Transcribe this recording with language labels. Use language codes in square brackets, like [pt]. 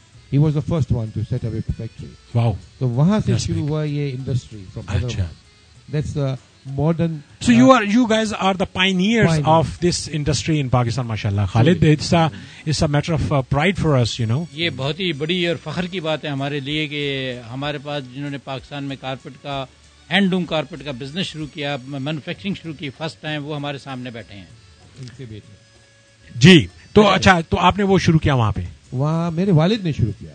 [en] He was the first one to set up a factory. Wow. [ur] So, وہاں سے شروع ہوا یہ [en] industry from Hyderabad. That's the modern... So, you guys are the pioneers of this industry in Pakistan, mashallah. Khalid, it's a matter of pride for us, you know. [ur] یہ بہت ہی بڑی اور فخر کی بات ہے ہمارے لیے کہ ہمارے پاس جنہوں نے پاکستان میں کارپٹ کا ہینڈ لوم کارپٹ کا بزنس شروع کیا, مینوفیکچرنگ شروع کی, فرسٹ ٹائم وہ ہمارے سامنے بیٹھے ہیں. جی, تو اچھا, تو آپ نے وہ شروع کیا وہاں پہ؟ وہاں میرے والد نے شروع کیا.